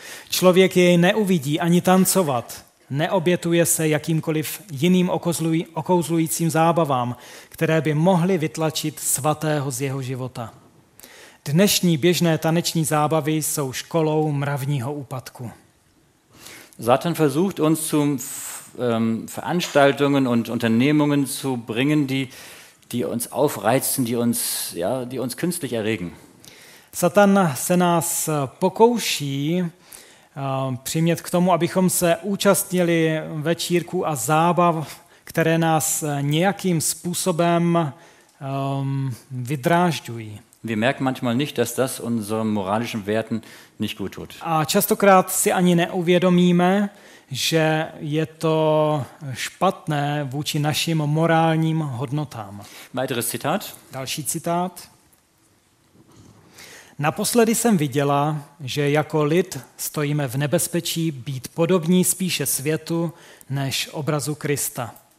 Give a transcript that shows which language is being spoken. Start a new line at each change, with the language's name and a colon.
Czech: Člověk jej neuvidí ani tancovat, neobětuje se jakýmkoliv jiným okouzlujícím zábavám, které by mohly vytlačit svatého z jeho života. Dnešní běžné taneční zábavy jsou školou mravního úpadku.
German: Satan versucht uns zu Veranstaltungen und Unternehmungen zu bringen, die uns aufreizen, die uns künstlich erregen.
Czech: Satan se nás pokouší přimět k tomu, abychom se účastnili večírku a zábav, které nás nějakým způsobem vydrážďují.
German: Wir merken manchmal nicht, dass das unseren moralischen Werten nicht gut tut.
Czech: A častokrát si ani neuvědomíme, že je to špatné vůči našim morálním hodnotám.
German: Weiteres Zitat.
Czech: Další citát. Naposledy jsem viděla, že jako lid stojíme v nebezpečí být podobní spíše světu než obrazu Krista.